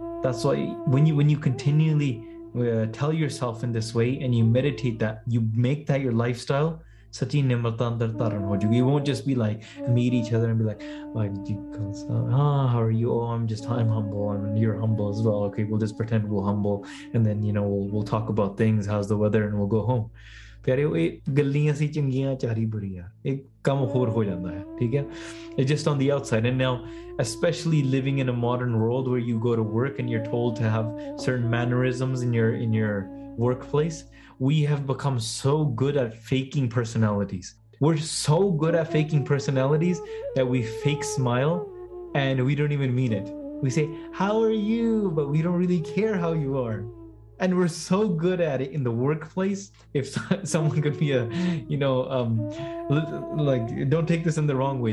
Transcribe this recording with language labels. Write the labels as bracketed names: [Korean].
[English] That's why when you continually tell yourself in this way and you meditate, that you make that your lifestyle, [Punjabi] sachi nimrata andar taran ho jugi. [English] You won't just be like meet each other and be like, how are you? Oh, I'm humble, and you're humble as well, okay, we'll just pretend we're humble, and then you know we'll talk about things, how's the weather, and we'll go home. [Punjabi] ਪਿਆਰੇ, ਉਹ ਇਹ ਗੱਲੀਆਂ ਸੀ ਚੰਗੀਆਂ ਚਾਰੀ ਬੁਰੀਆਂ, ਇਹ ਕੰਮ ਹੋਰ ਹੋ ਜਾਂਦਾ ਹੈ, ਠੀਕ ਹੈ? [English] It just on the outside, and now especially living in a modern world where you go to work and you are told to have certain mannerisms in your in your workplace, we have become so good at faking personalities. We're so good at faking personalities that we fake smile and we don't even mean it. We say, how are you? But we don't really care how you are. And we're so good at it in the workplace. If someone could be a, you know, like, don't take this in the wrong way.